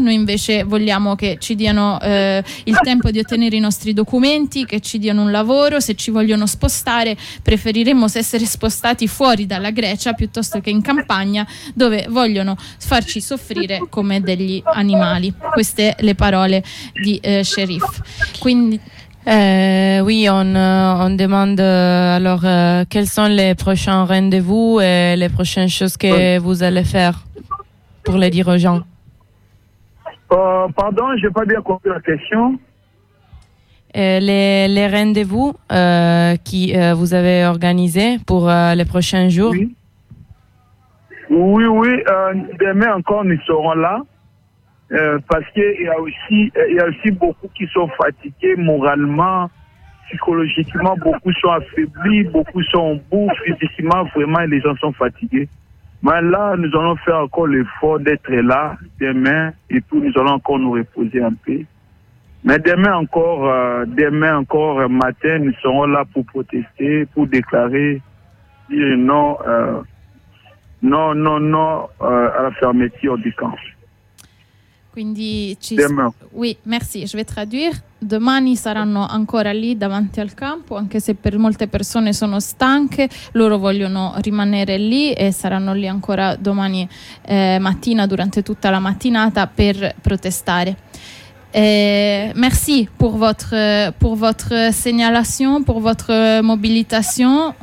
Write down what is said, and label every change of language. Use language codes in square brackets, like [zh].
[it] Noi invece vogliamo che ci diano il tempo di ottenere i nostri documenti, che ci diano un lavoro. Se ci vogliono spostare, preferiremmo essere spostati fuori dalla Grecia piuttosto che in campagna, dove vogliono farci soffrire come degli animali. Queste le parole di Sherif. Quindi [fr] Oui, on demande alors quels sont les prochains rendez-vous et les prochaines choses que vous allez faire pour les dire aux gens. Pardon, je n'ai pas bien compris la question. Les rendez-vous qui vous avez organisés pour les prochains jours. Oui, demain encore nous serons là. Parce qu'il y a aussi, beaucoup qui sont fatigués moralement, psychologiquement, beaucoup sont affaiblis, beaucoup sont bouts physiquement, vraiment, les gens sont fatigués. Mais là, nous allons faire encore l'effort d'être là demain, et puis nous allons encore nous reposer un peu. Mais demain encore matin, nous serons là pour protester, pour déclarer, dire non à la fermeture du camp. [it] Quindi ci siamo. [fr] Oui, merci, je vais traduire. [it] Domani saranno ancora lì davanti al campo, anche se per molte persone sono stanche, loro vogliono rimanere lì e saranno lì ancora domani mattina, durante tutta la mattinata, per protestare. [fr] Merci pour votre signalation, pour votre mobilisation.